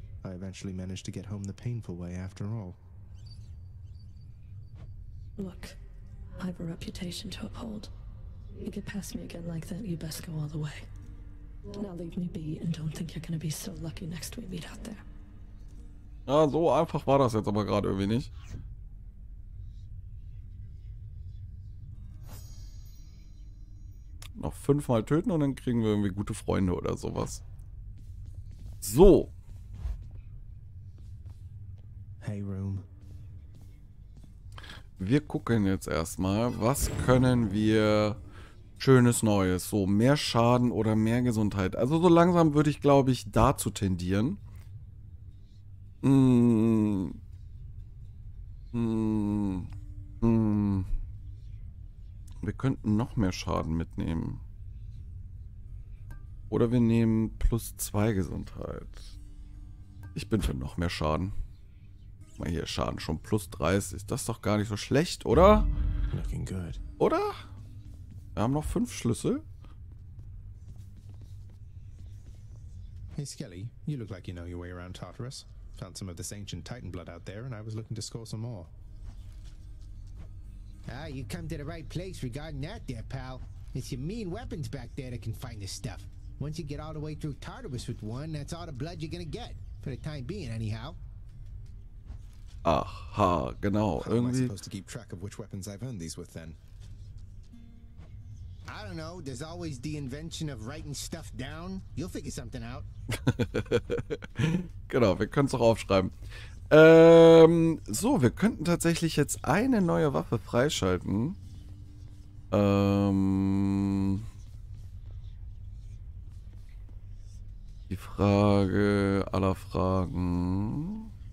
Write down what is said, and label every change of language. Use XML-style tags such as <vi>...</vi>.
<en>I eventually managed to get home the painful way after all. Look, I have a reputation to uphold. You get past me again like that, you best go all the way. Now leave me be and don't think you're gonna be so lucky next we meet out there.</en> <de>Ja, so einfach war das jetzt aber gerade irgendwie nicht. Noch fünfmal töten und dann kriegen wir irgendwie gute Freunde oder sowas. So. Hey, Room. Wir gucken jetzt erstmal, was können wir... Schönes Neues. So, mehr Schaden oder mehr Gesundheit. Also so langsam würde ich, glaube ich, dazu tendieren. Wir könnten noch mehr Schaden mitnehmen. Oder wir nehmen plus 2 Gesundheit. Ich bin für noch mehr Schaden. Guck mal hier, Schaden schon plus 30. Das ist doch gar nicht so schlecht, oder?</de> <en>Looking good.</en> <de>Oder? Wir haben noch 5 Schlüssel.</de> <en>Hey Skelly, you look like you know your way around Tartarus. Found some of this ancient Titan blood out there and I was looking to score some more. Ah, you come to the right place regarding that there, pal. It's your mean weapons back there that can find this stuff. Once you get all the way through Tartarus with one, that's all the blood you're gonna get. For the time being, anyhow.</en> <de>Aha, genau.</de> <en>How am I supposed to keep track of which weapons I've earned these with then? I don't know, there's always the invention of writing stuff down. You'll figure something out.</en> <de>Genau, wir können es auch aufschreiben. So, wir könnten tatsächlich jetzt eine neue Waffe freischalten. Die Frage aller Fragen.</de>